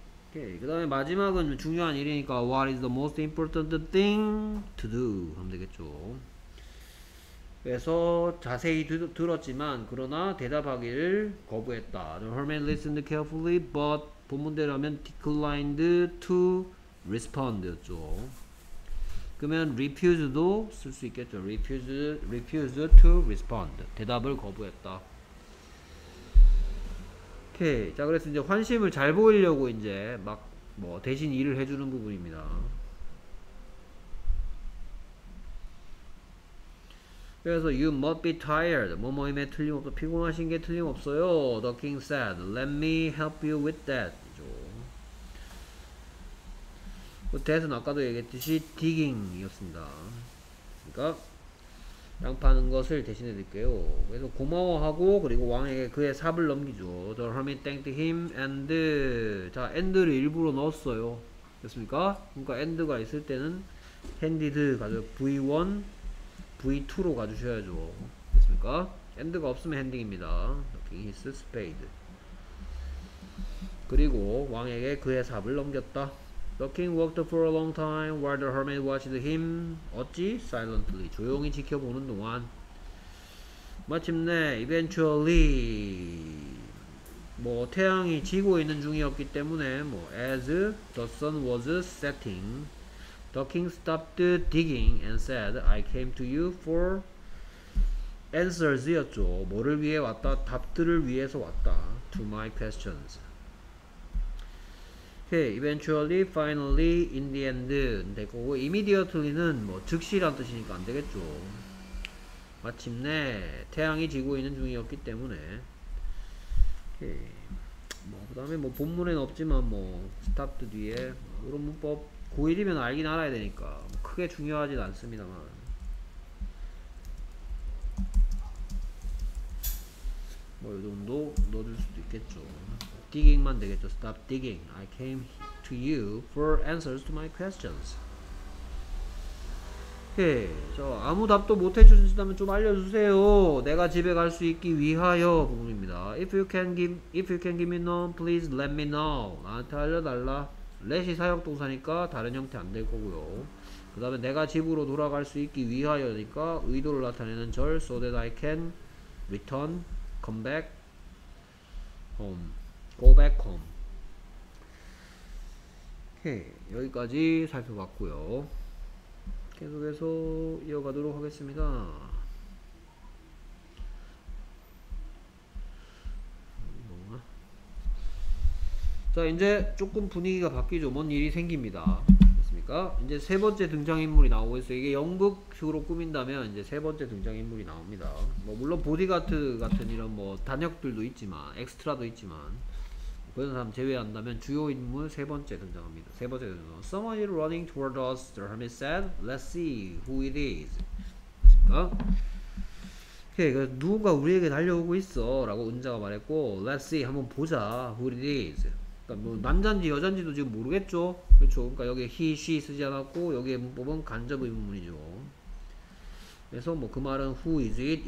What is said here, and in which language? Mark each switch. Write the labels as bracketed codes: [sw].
[ko] 오케이. 그 다음에 마지막은 중요한 일이니까 [en] What is the most important thing to do? [ko] 하면 되겠죠. 그래서 자세히 들었지만 그러나 대답하기를 거부했다. [en] Herman listened carefully but [ko] 본문대로면 [en] declined to respond 였죠. [ko] 그러면 refused도 쓸 수 있겠죠. [en] refuse to respond. [ko] 대답을 거부했다. 오케이. 자, 그래서 이제 환심을 잘 보이려고 이제 막 뭐 대신 일을 해주는 부분입니다. 그래서 [en] you must be tired. [ko] 뭐뭐임에 틀림없어. 피곤하신 게 틀림없어요. [en] The king said, let me help you with that. [ko] That은 아까도 얘기했듯이 digging이었습니다. 그러니까 땅 파는 것을 대신해 드릴게요. 그래서 고마워하고 그리고 왕에게 그의 삽을 넘기죠. [en] The hermit thanked him and [ko] 자 and를 일부러 넣었어요. 됐습니까? 그러니까 and가 있을 때는 handed 가져 v1 v2로 가주셔야죠. 됐습니까? and가 없으면 handing입니다. [en] Looking his spade. [ko] 그리고 왕에게 그의 삽을 넘겼다. [en] The king walked for a long time while the hermit watched him. [ko] 어찌? Silently. 조용히 지켜보는 동안. 마침내, eventually. 뭐, 태양이 지고 있는 중이었기 때문에, 뭐, [en] as the sun was setting, the king stopped digging and said, I came to you for answers [ko] 였죠. 뭐를 위해 왔다? 답들을 위해서 왔다. [en] To my questions. [ko] Eventually, finally, in the end 될 거고 immediately는 뭐 즉시란 뜻이니까 안 되겠죠. 마침내 태양이 지고 있는 중이었기 때문에 오케이. 뭐 그 다음에 뭐 본문에는 없지만 뭐 stopped 뒤에 뭐 이런 문법 고1이면 알긴 알아야 되니까 뭐 크게 중요하진 않습니다만 뭐 이 정도 넣어줄 수도 있겠죠. Digging만 되겠죠. [en] Stop digging. I came to you for answers to my questions. [ko] 오케이. 저 아무 답도 못 해주신다면 좀 알려주세요. 내가 집에 갈 수 있기 위하여 부분입니다. [en] If you can give me none, please let me know. [ko] 나한테 알려달라. Let이 사역동사니까 다른 형태 안 될 거고요. 그 다음에 내가 집으로 돌아갈 수 있기 위하여니까 의도를 나타내는 절 [en] so that I can return, come back home. [ko] Go back home. 오케이. 여기까지 살펴봤고요. 계속해서 이어가도록 하겠습니다. 자, 이제 조금 분위기가 바뀌죠. 뭔 일이 생깁니다. 됐습니까? 이제 세 번째 등장인물이 나오고 있어요. 이게 연극으로 꾸민다면 이제 세 번째 등장인물이 나옵니다. 뭐 물론 보디가드 같은 이런 뭐 단역들도 있지만 엑스트라도 있지만 그런 사람 제외한다면 주요 인물 세 번째 등장합니다. 세 번째 등장. [en] Someone is running toward us, the hermit said. Let's see who it is. [ko] 됐습니까? 오케이. 그 누군가 우리에게 달려오고 있어. 라고 은자가 말했고, [en] Let's see. [ko] 한번 보자. Who it is. 그니까 뭐, 남잔지 여잔지도 지금 모르겠죠? 그렇죠. 그니까 여기에 he, she 쓰지 않았고, 여기에 문법은 간접 의문문이죠. 그래서 뭐, 그 말은 [en] who is it?